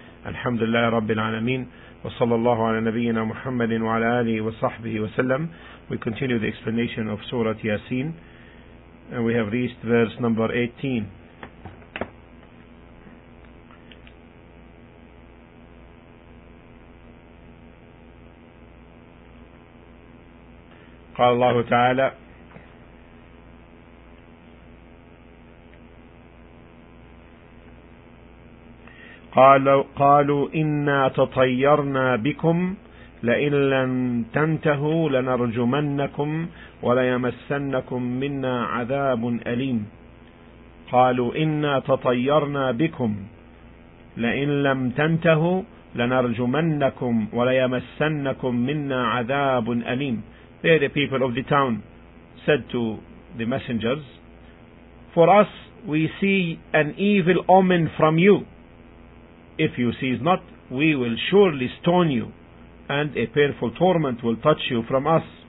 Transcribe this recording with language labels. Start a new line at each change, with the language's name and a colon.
Arabic: الحمد لله رب العالمين وصلى الله على نبينا محمد وعلى آله وصحبه وسلم.
English: We continue the explanation of Surah Yasin and we have reached verse number 18.
Arabic: قال الله تعالى قالوا إنا تطيرنا بكم لئن لم تنتهوا لنرجمنكم وليمسنكم منا عذاب أليم. قالوا إنا تطيرنا بكم لئن لم تنتهوا لنرجمنكم وليمسنكم منا عذاب أليم.
English: There the people of the town said to the messengers, for us we see an evil omen from you. If you cease not, we will surely stone you, and a painful torment will touch you from us.